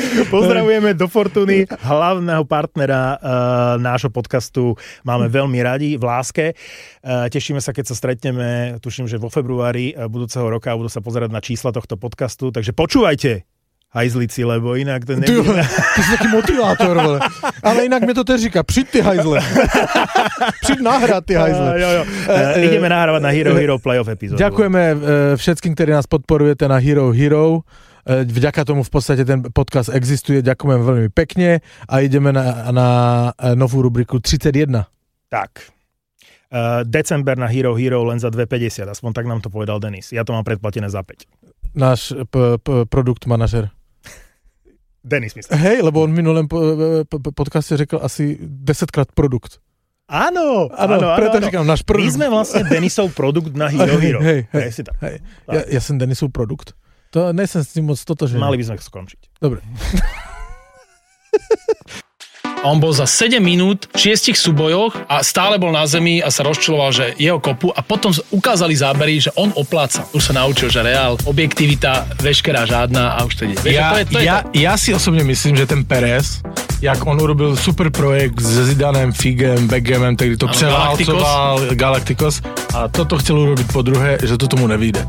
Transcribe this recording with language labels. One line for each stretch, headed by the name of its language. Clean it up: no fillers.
Slovak: Pozdravujeme do Fortuny, hlavného partnera nášho podcastu. Máme veľmi radi, v láske. Tešíme sa, keď sa stretneme, tuším, že vo februári budúceho roka budú sa pozerať na čísla tohto podcastu. Takže počúvajte, hajzlici, lebo inak to nebude. Ty si taký motivátor, vole.
Czech: Ale
Slovak: inak
Czech: mi to teď říká, přijď ty hajzle. Přijď nahrát ty hajzle.
Slovak: Ideme nahrávať na Hero Hero playoff epizódu. Ďakujeme všetkým, ktorí nás podporujete na Hero Hero. Vďaka tomu v podstate ten podcast existuje, ďakujem veľmi pekne a ideme na novú rubriku 31. Tak, december na Hero Hero len za 2,50, aspoň tak nám to povedal Denis. Ja to mám predplatené za 5. Náš produkt manažer. Denis myslím.
Czech: Hej,
Slovak: lebo
Czech: on v minulém podcaste řekl asi 10-krát produkt.
Slovak: Áno, preto
Czech: říkám, náš produkt.
Slovak: My sme vlastne Denisov produkt na Hero Hero. Hej. Ja som Denisov produkt. To nesem s tým moc toto, že... Mali by sme skončiť. Dobre. On bol za 7 minút v 6 súbojoch a stále bol na zemi a sa rozčuloval, že jeho kopu a potom ukázali zábery, že on opláca. Už sa naučil, že Real, objektivita, veškerá žiadna a už teda. Ja si osobne myslím, že ten Perez, jak on urobil super projekt s Zidanem, Figem, Beckhamem, tak to prevalcoval Galacticos a toto chcel urobiť po druhé, že to tomu nevyjde.